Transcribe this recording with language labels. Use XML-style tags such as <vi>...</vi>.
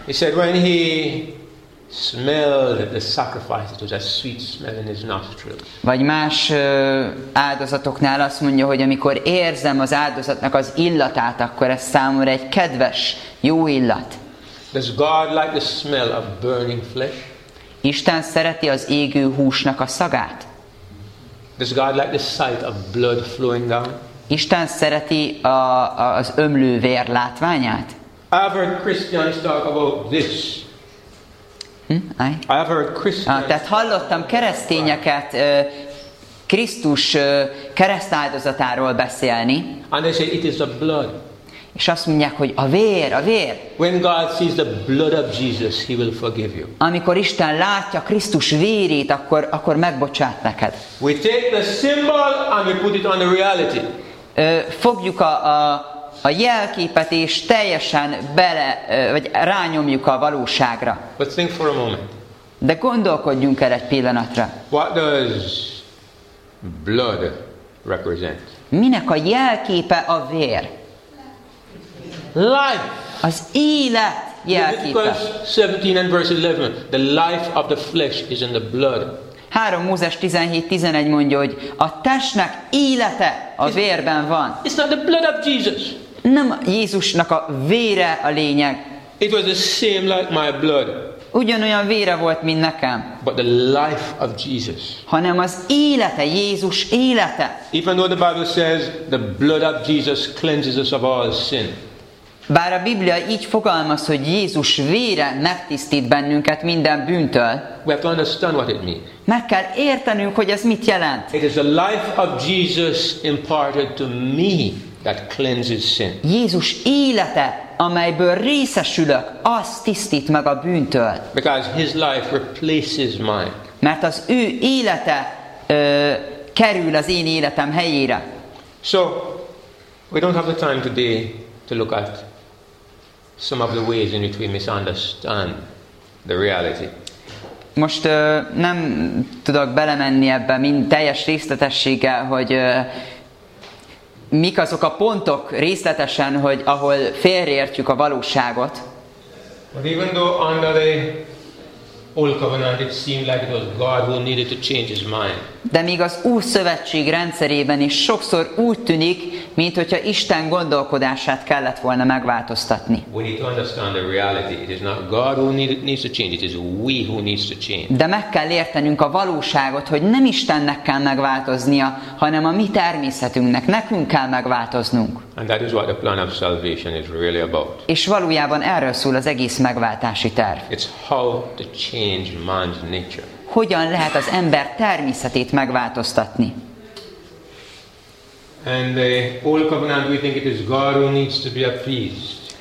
<en>He said when he smelled the sacrifice, it was a sweet smell in his nostrils.</en> <hu>Vagy más áldozatoknál azt mondja, hogy amikor érzem az áldozatnak az illatát, akkor ez számomra egy kedves, jó illat.</hu> <en>Does God like the smell of burning flesh?</en> <hu>Isten szereti az égő húsnak a szagát?</hu> <en>Does God like the sight of blood flowing down?</en> <hu>Isten szereti az ömlő vér látványát?</hu> <en>I've heard Christians talk about this. I've heard Christians.</en> <hu>Tehát hallottam keresztényeket Krisztus keresztáldozatáról beszélni.</hu> <en>And they say it is the blood.</en> <hu>És azt mondják, hogy a vér.</hu> <en>When God sees the blood of Jesus, he will forgive you.</en> <hu>Amikor Isten látja Krisztus vérét, akkor megbocsát neked.</hu> <en>We take the symbol and we put it on the reality.</en> <hu>Fogjuk a jelképet és teljesen bele vagy rányomjuk a valóságra.</hu> <en>But think for a moment.</en> <hu>De gondolkodjunk el egy pillanatra.</hu> <en>What does blood represent?</en> <hu>Minek a jelképe a vér?</hu> <en>Life.</en> <hu>Az élet jelképe.</hu> <en>Leviticus 17 and verse 11. The life of the flesh is in the blood.</en> <hu>3 Mózes 17:11 mondja, hogy a testnek élete a vérben van.</hu> <en>It's not the blood of Jesus.</en> <hu>Nem Jézusnak a vére a lényeg.</hu> <en>It was the same like my blood.</en> <hu>Ugyanolyan vére volt, mint nekem.</hu> <en>But the life of Jesus.</en> <hu>Hanem az élete, Jézus élete.</hu> <en>Even though the Bible says the blood of Jesus cleanses us of all sin.</en> <hu>Bár a Biblia így fogalmaz, hogy Jézus vére megtisztít bennünket minden bűntől,</hu> <en>we have to understand what it means.</en> <hu>Meg kell értenünk, hogy ez mit jelent.</hu> <en>It is the life of Jesus imparted to me that cleanses sin.</en> <hu>Jézus élete, amelyből részesülök, az tisztít meg a bűntől.</hu> <en>Because his life replaces mine.</en> <hu>Mert az ő élete kerül az én életem helyére.</hu> <en>So, we don't have the time today to look at some of the ways in which we misunderstand the reality.</en> <hu>Most nem tudok belemenni ebbe mind teljes részletességgel, hogy mik azok a pontok részletesen, hogy ahol félreértjük a valóságot.</hu> <en>But even though under the old covenant it seemed like it was God who needed to change his mind.</en> <hu>De még az új szövetség rendszerében is sokszor úgy tűnik, mint hogyha Isten gondolkodását kellett volna megváltoztatni.</hu> <en>We need to understand the reality. It is not God who needs to change, it is we who needs to change.</en> <hu>De meg kell értenünk a valóságot, hogy nem Istennek kell megváltoznia, hanem a mi természetünknek, nekünk kell megváltoznunk.</hu> <en>And that is what the plan of salvation is really about.</en> <hu>És valójában erről szól az egész megváltási terv.</hu> <en>It's how to change man's nature.</en> <hu>Hogyan lehet az ember természetét megváltoztatni?</hu> <en>And the old covenant, we think it is God who needs to be appeased.</en>